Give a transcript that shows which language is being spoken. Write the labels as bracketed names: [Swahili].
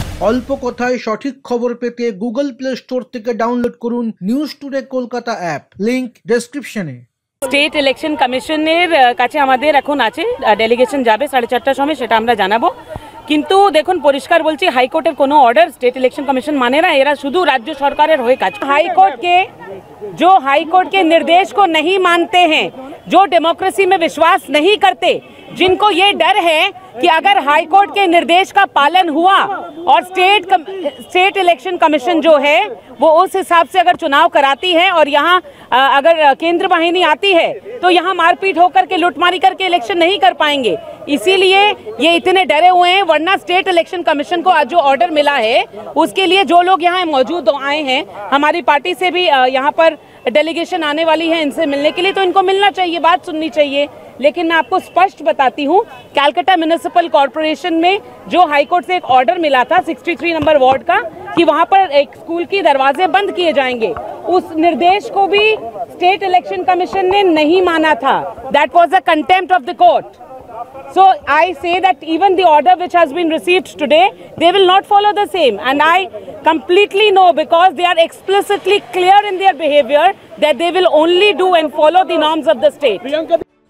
[Bangla] অল্প কথায় সঠিক খবর পেতে গুগল প্লে স্টোর থেকে ডাউনলোড করুন news today Kolkata app, link ডেসক্রিপশনে। স্টেট ইলেকশন কমিশনের কাছে আমাদের এখন আছে, ডেলিগেশন যাবে 4:30 সময়, সেটা আমরা জানাবো। কিন্তু দেখুন, পরিষ্কার বলছি, হাইকোর্টের কোনো অর্ডার স্টেট ইলেকশন কমিশন মানে না, এরা শুধু রাজ্য সরকারের হয়ে কাজ। [Hindi] হাইকোর্টকে जो हाई कोर्ट के निर्देश को नहीं मानते हैं, जो डेमोक्रेसी में विश्वास नहीं करते, जिनको ये डर है कि अगर हाई कोर्ट के निर्देश का पालन हुआ और स्टेट इलेक्शन कमीशन जो है वो उस हिसाब से अगर चुनाव कराती है और यहाँ अगर केंद्र वाहिनी आती है तो यहाँ मारपीट होकर के लूटमारी करके इलेक्शन नहीं कर पाएंगे, इसीलिए ये इतने डरे हुए हैं। वरना स्टेट इलेक्शन कमीशन को आज जो ऑर्डर मिला है उसके लिए जो लोग यहाँ मौजूद आए हैं, हमारी पार्टी से भी यहाँ पर डेलीगेशन आने वाली है इनसे मिलने के लिए, तो इनको मिलना चाहिए, बात सुननी चाहिए। लेकिन मैं आपको स्पष्ट बताती हूँ, कैलकटा म्युनिसिपल कॉर्पोरेशन में जो हाईकोर्ट से एक ऑर्डर मिला था 63 नंबर वार्ड का कि वहाँ पर एक स्कूल की दरवाजे बंद किए जाएंगे, उस निर्देश को भी स्टेट इलेक्शन कमीशन ने नहीं माना था। [English] That was a contempt of the court. So I say that even the order which has been received today, they will not follow the same. And I completely know, because they are explicitly clear in their behavior that they will only do and follow the norms of the state.